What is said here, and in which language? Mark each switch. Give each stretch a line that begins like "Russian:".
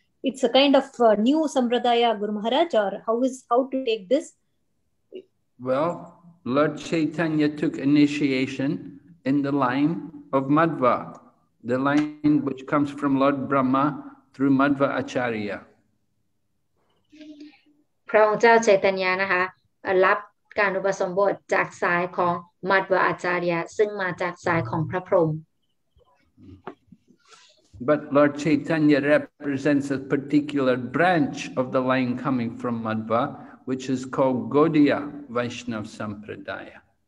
English: It's a kind of new sampradaya, Guru Maharaj, or how to take this? Well, Lord Chaitanya took initiation in the line of Madhva, the line which comes from Lord Brahma through Madhva Acharya.
Thai: พระองค์เจ้าเจตัญญานะคะรับการอุปสมบทจากสายของมัทวาอาจารย์ซึ่งมาจากสายของพระพรหม
English: But Lord Chaitanya represents a particular branch of the line coming from Madhva which is called Gaudiya Vaishnav Sampradaya